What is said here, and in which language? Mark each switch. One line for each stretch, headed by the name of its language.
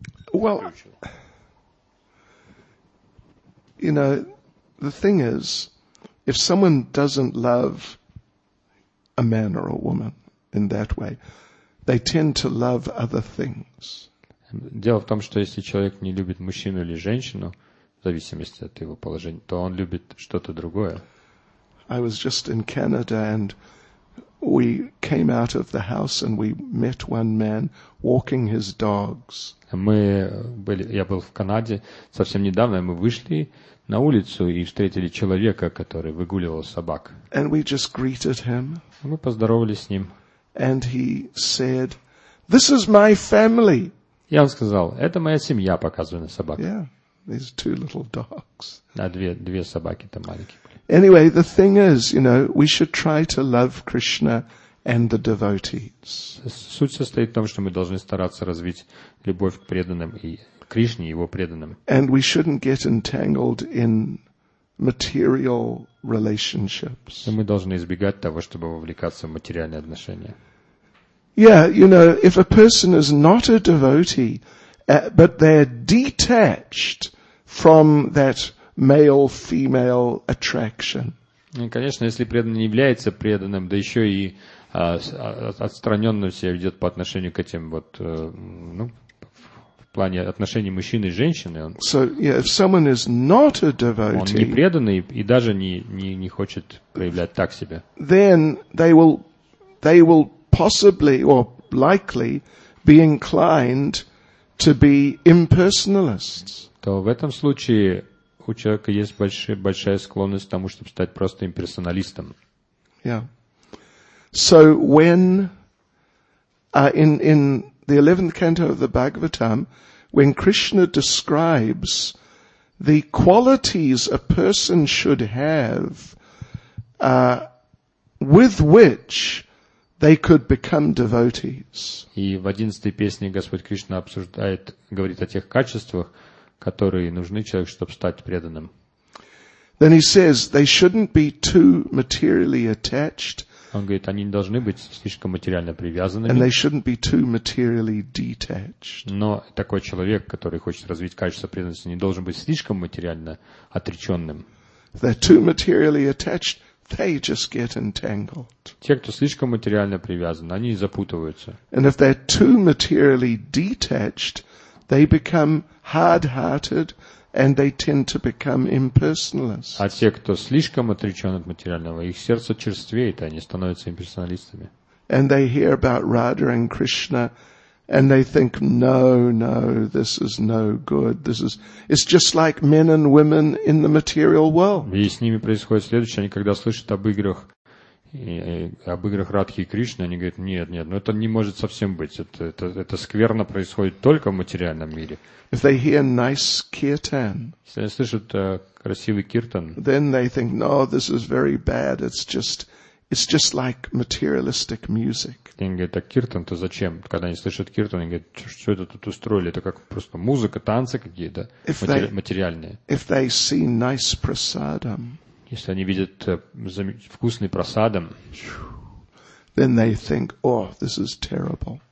English: Well, you know, the thing is, if someone doesn't love a man or a woman in that way, they tend to love other things.
Russian: Дело в том, что если человек не любит мужчину или женщину, в зависимости от его положения, то он любит что-то другое.
English: I was just in Canada and we came out of the house and we met one man walking his dogs.
Russian: Я был в Канаде совсем недавно, мы вышли на улицу и встретили человека, который выгуливал собак.
English: And we just greeted him.
Russian: Мы поздоровались с ним.
English: And he said, "This is my family."
Russian: И он сказал, это моя семья, показывая на собак.
English: Yeah, these two little dogs.
Russian: А две собаки-то маленькие.
English: Anyway, the thing is, you know, we should try to love Krishna and the devotees.
Russian: Суть состоит в том, что мы должны стараться развить любовь к преданным и Кришне, его преданным.
English: And we shouldn't get entangled in material relationships.
Russian: И мы должны избегать того, чтобы вовлекаться в материальные отношения.
English: Yeah, you know, if a person is not a devotee, but they're detached from that male-female attraction.
Russian: И, конечно, если преданный не является преданным, да еще и отстраненно себя ведет по отношению к этим вот, ну, в плане отношений мужчины и женщины. Он,
English: so, yeah, if someone is not a devotee,
Russian: он не преданный и даже не хочет проявлять так себя.
English: Then they will possibly or likely be inclined to be impersonalists.
Russian: То в этом случае у человека есть большая склонность к тому, чтобы стать просто имперсоналистом.
English: Yeah. So when in the 11th canto of the Bhagavatam, when Krishna describes the qualities a person should have with which they could become devotees.
Russian: И в 11-й песне Господь Кришна обсуждает, говорит о тех качествах, которые нужны человеку, чтобы стать преданным.
English: Then he says they shouldn't be too materially attached.
Russian: Он говорит, они не должны быть слишком материально привязанными.
English: And they shouldn't be too materially detached.
Russian: Но такой человек, который хочет развить качество преданности, не должен быть слишком материально отреченным.
English: They're too materially attached, they just get entangled.
Russian: Те, кто слишком материально привязан, они запутываются.
English: And if they're too materially detached, they become hard-hearted. And they tend to become impersonalists.
Russian: А те, кто слишком отречен от материального, их сердце черствеет, они становятся имперсоналистами.
English: And they hear about Radha and Krishna, and they think, no, no, this is no good. This is, it's just like men and women in the material world.
Russian: И с ними происходит следующее: они когда слышат об играх Радхи и Кришны, они говорят, нет, нет, ну это не может совсем быть, это скверно происходит только в материальном мире.
English: If they hear nice kirtan,
Russian: если они слышат красивый киртан,
English: then they think, no, this is very bad, it's just like materialistic music.
Russian: И они говорят, так киртан-то зачем? Когда они слышат киртан, они говорят, что это тут устроили, это как просто музыка, танцы какие-то, материальные.
English: If they see nice prasadam,
Russian: если они видят вкусный просадом,
English: then they think, oh, this is terrible.